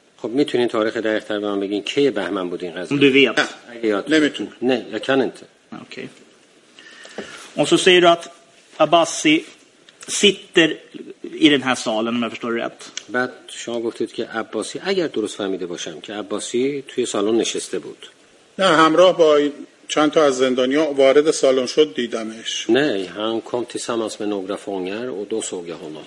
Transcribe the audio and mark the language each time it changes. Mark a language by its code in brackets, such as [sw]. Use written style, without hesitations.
[fa] خب میتونی تاریخ دقیق‌تر به من بگین کی بهمن بود این قضیه؟ [sv] Du vet. Nej, jag kan inte. Okej. Och så säger du att Abbasi sitter i den här salen om jag förstår rätt. [fa] Bad شما گفتید که عباسی اگر درست فهمیده باشم که عباسی توی سالن نشسته بود. نه همراه با چند تا از زندانیا وارد سالن شد دیدمش. [sv] نه هان kom tillsammans med några fångar och då såg jag honom.